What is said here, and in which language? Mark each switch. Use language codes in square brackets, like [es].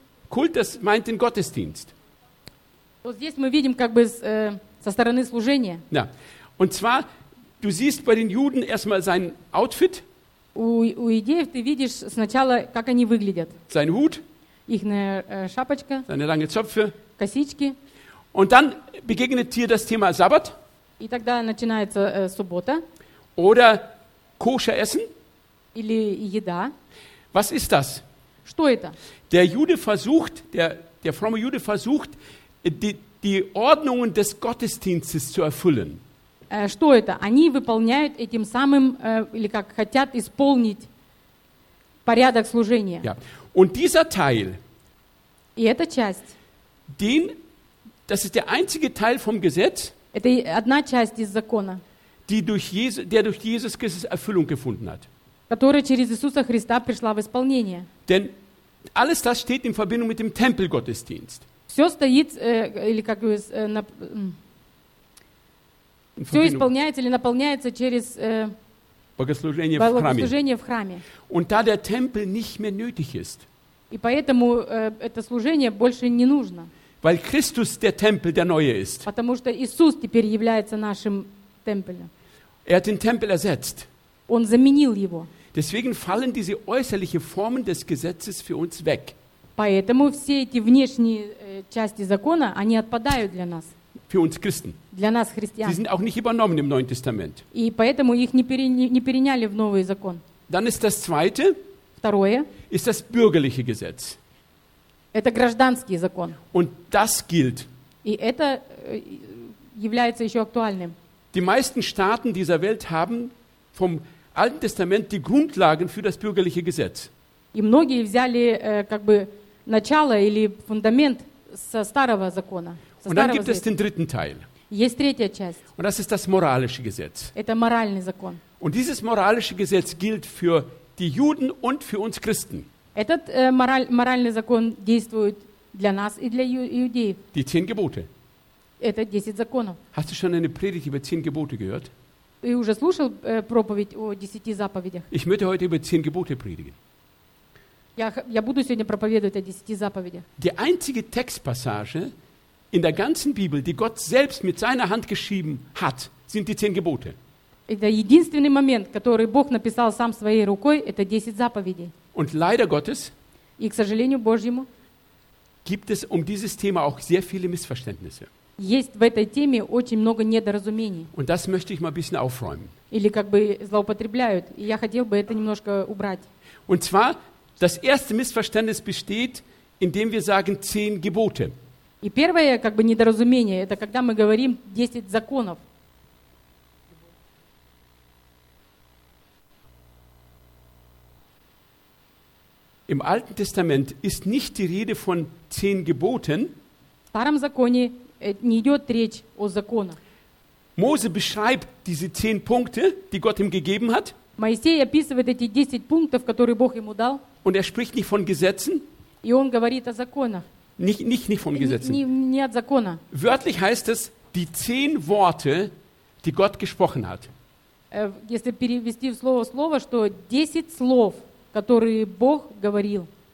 [de] Культ, das meint den Gottesdienst. [ru] Вот здесь мы видим как бы со стороны служения. Да. [de] Und zwar, du siehst bei den Juden erstmal sein Outfit. [ru] У иудеев ты видишь сначала, как они выглядят. [de] Sein Hut. [ru] Ихне шапочка. [de] Seine langen Zöpfe. [ru] Косички. [de] Und dann begegnet dir das Thema Sabbat. [ru] И тогда начинается суббота. [de] Oder koscher Essen. [ru] Или еда. [de] Was ist das? [ru] Что это? [de] Der Jude versucht, der fromme Jude versucht, die Ordnungen des Gottesdienstes zu erfüllen. [ru] Что это? Они выполняют этим самым или как хотят исполнить порядок служения. [de] Ja. Und dieser Teil. [ru] И эта часть. [de] Das ist der einzige Teil vom Gesetz. [ru] Это одна часть из закона. [de] Der durch Jesus Christus Erfüllung gefunden hat. [ru] Которая через Иисуса Христа пришла в исполнение. [de] Denn alles das steht in Verbindung mit dem Tempelgottesdienst. [ru] Все стоит или как бы все исполняется или наполняется через богослужение в храме. [de] Und da der Tempel nicht mehr nötig ist. [ru] И поэтому это служение больше не нужно. [de] Weil Christus der Tempel der neue ist. [ru] Потому что Иисус теперь является нашим Tempelом. [de] Er hat den Tempel ersetzt. [ru] Он заменил его. [de] Deswegen fallen diese äußerlichen Formen des Gesetzes für uns weg. [ru] Поэтому все эти внешние части закона, они отпадают для нас. [de] Für uns Christen. [ru] Для нас христиан. [de] Sie sind auch nicht übernommen im Neuen Testament. [ru] И поэтому их не переняли в новый закон. [de] Dann ist das zweite. [ru] Второе. [de] Ist das bürgerliche Gesetz. [ru] Это гражданский закон. [de] Und das gilt. [ru] И это является еще актуальным. [de] Die meisten Staaten dieser Welt haben vom Alten Testament die Grundlagen für das bürgerliche Gesetz. [ru] И многие взяли как бы начало или фундамент со старого закона. [de] Und dann gibt es den dritten Teil. [ru] Есть третья часть. [de] Und das ist das moralische Gesetz. [ru] Это моральный закон. [de] Und dieses moralische Gesetz gilt für die Juden und für uns Christen. [ru] Этот моральный закон действует для нас и для иудеев. [de] Die zehn Gebote. [ru] Это 10 законов. [de] Hast du schon eine Predigt über 10 Gebote gehört? [ru] Ты уже слушал проповедь о 10 заповедях? [de] Ich möchte heute über 10 Gebote predigen. [ru] Я буду сегодня проповедовать о 10 заповедях. [de] Die einzige Textpassage in der ganzen Bibel, die Gott selbst mit seiner Hand geschrieben hat, sind die 10 Gebote. [ru] Это единственный момент, который Бог написал сам своей рукой, это 10 заповедей. [de] Und leider Gottes, [ru] и, к сожалению, Божьему, [de] gibt es um dieses Thema auch sehr viele Missverständnisse. [ru] Есть в этой теме очень много недоразумений. [de] Und das möchte ich mal ein bisschen aufräumen. [ru] Или как бы злоупотребляют, и я хотел бы это немножко убрать. [de] Und zwar, das erste Missverständnis besteht, indem wir sagen 10 Gebote. [ru] И первое как бы недоразумение, это когда мы говорим 10 законов. [de] Im Alten Testament ist nicht die Rede von 10 Geboten. [ru] В Старом Законе не идет речь о законах. [de] Mose beschreibt diese 10 Punkte, die Gott ihm gegeben hat. [ru] Моисей описывает эти 10 пунктов, которые Бог ему дал. [de] Und er spricht nicht von Gesetzen. [ru] И он говорит о законах. [de] Nicht von Gesetzen. [ru] Не от закона. [de] Wörtlich heißt es die 10 Worte, die Gott gesprochen hat. [ru] Если перевести в слово, что 10 слов, которые Бог говорил.